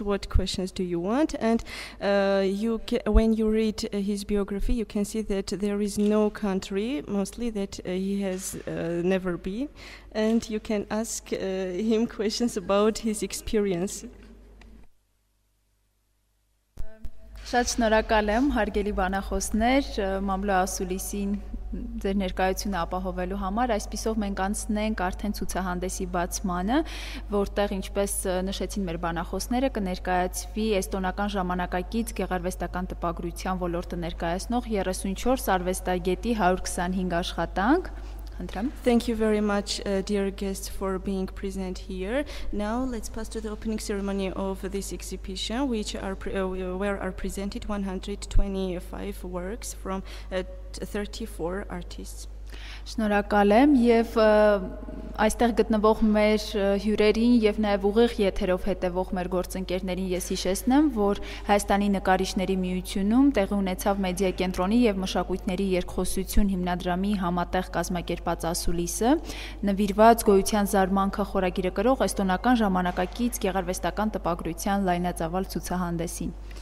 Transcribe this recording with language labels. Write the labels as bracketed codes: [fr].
[en] What questions do you want? And when you read his biography, you can see that there is no country, mostly, that he has never been. And you can ask him questions about his experience. [hy] Շատ շնորհակալ եմ, հարգելի բանախոսներ, Մամլո Ասուլիսին ձեր ներկայությունը ապահովելու համար, այսպիսով մենք անցնենք արդեն ցուցահանդեսի բացմանը, որտեղ, ինչպես նշեցին մեր բանախոսները, կներկայացվի էստոնական ժամանակակից գեղարվեստական տպագրության ոլորտը ներկայացնող 34 արվեստագետի 125 աշխատանք. [en] Thank you very much, dear guests, for being present here. Now let's pass to the opening ceremony of this exhibition, where are presented 125 works from 34 artists. [hy] Շնորհակալ եմ եւ այստեղ գտնվող մեր հյուրերին եւ նաեւ ուղիղ եթերով հետեւող մեր գործընկերներին ես հիշեցնեմ, որ Հայաստանի նկարիչների միությունում տեղի ունեցավ մեդիա կենտրոնի եւ մշակույթների երկխոսություն հիմնադրամի համատեղ կազմակերպած ասուլիսը, նվիրված գոյության զարմանքը խորագիրը կրող էստոնական ժամանակակից գեղարվեստական տպագրության լայնածավալ ցուցահանդեսին.